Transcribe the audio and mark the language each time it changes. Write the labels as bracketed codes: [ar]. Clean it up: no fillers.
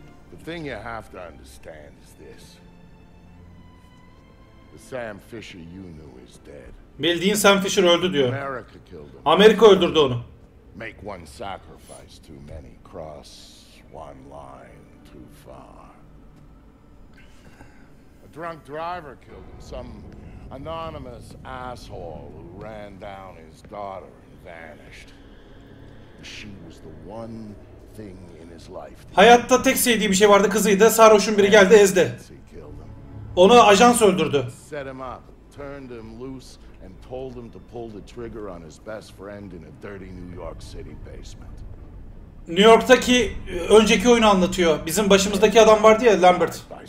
[en] The thing you have to understand is this. The Sam Fisher you knew is dead. [tr] Bildiğin Sam Fisher öldü diyor. Amerika öldürdü onu. [en] Make one sacrifice too many, cross one line too far. A drunk driver killed him. Some anonymous asshole who ran down his daughter and vanished. She was the one thing in his life. [tr] Hayatta tek sevdiği bir şey vardı, kızıydı. Sarhoşun biri geldi, ezdi. Onu ajan öldürdü. [en] Set him up, turned him loose. And told him to pull the trigger on his best friend in a dirty New York City basement. [tr] New York'taki önceki oyunu anlatıyor. Bizim başımızdaki adam vardı ya, Lambert.